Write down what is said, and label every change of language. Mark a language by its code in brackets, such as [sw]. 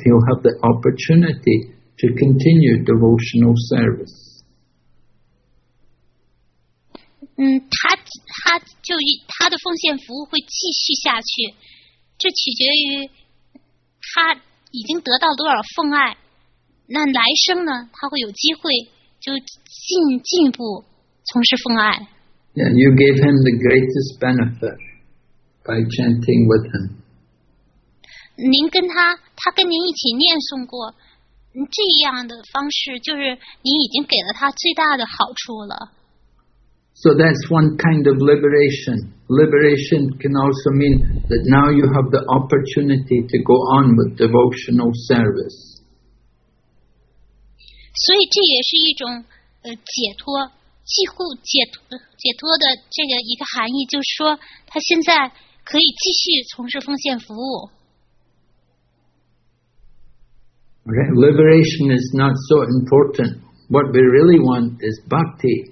[en] He'll have the opportunity to continue devotional service. [zh] 他的奉献服务会继续下去，这取决于他已经得到多少奉爱，那来生呢他会有机会就进一步从事奉爱。 [en] Yeah, you gave him the greatest benefit by chanting with him. [zh] 您跟他跟您一起念诵过，这样的方式就是您已经给了他最大的好处了。 [en] So that's one kind of liberation. Liberation can also mean that now you have the opportunity to go on with devotional service. [zh] 所以这也是一种解脱，几乎解脱的这个一个含义，就是说他现在可以继续从事奉献服务。 [en] Okay, liberation is not so important. What we really want is bhakti.